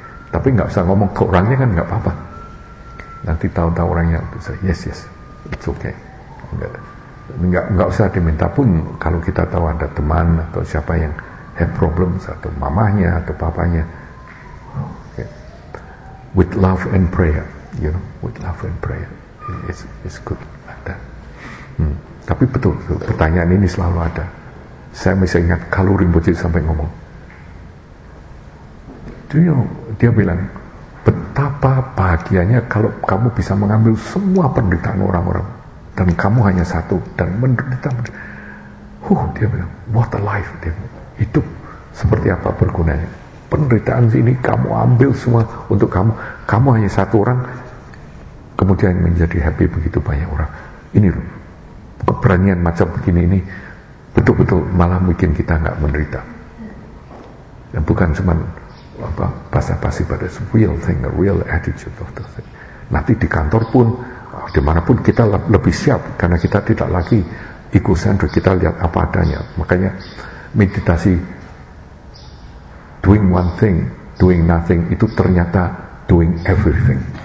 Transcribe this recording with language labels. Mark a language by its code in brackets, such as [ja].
[id] Tapi gak usah ngomong ke orangnya kan, gak apa-apa. Nanti tahu-tahu orangnya bisa, [en] yes, it's okay. [id] Enggak usah diminta pun, kalau kita tahu ada teman atau siapa yang [en] have problems, [id] atau mamahnya atau papanya, okay. [en] With love and prayer, you know, with love and prayer, it's good like that. [id] Tapi betul, pertanyaan ini selalu ada. Saya masih ingat kalau Rinpoche sampai ngomong, [en] do you know, [id] dia bilang, betapa bahagianya kalau kamu bisa mengambil semua penderitaan orang-orang dan kamu hanya satu dan menderita. Dia bilang, [en] what a life, [id] dia bilang, hidup seperti apa bergunanya. Penderitaan ini kamu ambil semua untuk kamu. Kamu hanya satu orang, kemudian menjadi happy begitu banyak orang. Ini loh, keberanian macam begini ini betul-betul malah bikin kita gak menderita. Dan bukan cuman apa basa-basi, [en] but it's real thing, a real attitude of the thing. [id] Nanti di kantor pun, dimanapun kita lebih siap, karena kita tidak lagi egocentric, kita lihat apa adanya. Makanya meditasi [en] doing one thing, doing nothing, [id] itu ternyata [en] doing everything.